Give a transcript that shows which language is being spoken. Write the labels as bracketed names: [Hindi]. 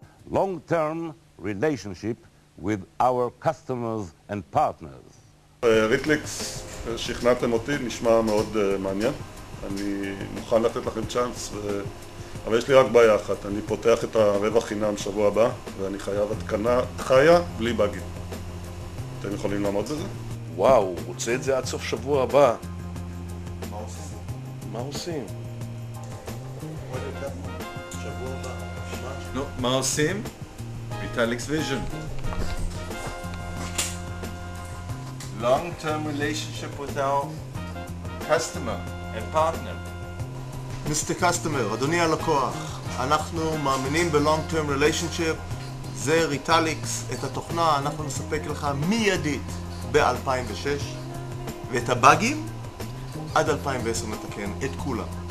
[English] Long-term relationship with our customers and partners. [Hebrew] ריטליקס, שכנעתם אותי, נשמע מאוד מעניין. אני מוכן לתת לכם צ'אנס, אבל יש לי רק בעיה אחת. אני פותח את הרווח חינם שבוע הבא, ואני חייב התקנה חיה בלי בגים. אתם יכולים לעמוד בזה? וואו, הוא רוצה את זה עד סוף שבוע הבא. מה עושים? נו, מה עושים? Vitalik's Vision. [English] Long-term relationship with our customer and partner. Mr. Customer, [Hebrew] אדוני הלקוח, אנחנו מאמינים ב- [English] long-term relationship. [Hebrew] זה Vitalik's, את התוכנה אנחנו נספק לך מיידית ב-2006, ואת הבאגים עד 2010 נתקן את כולם.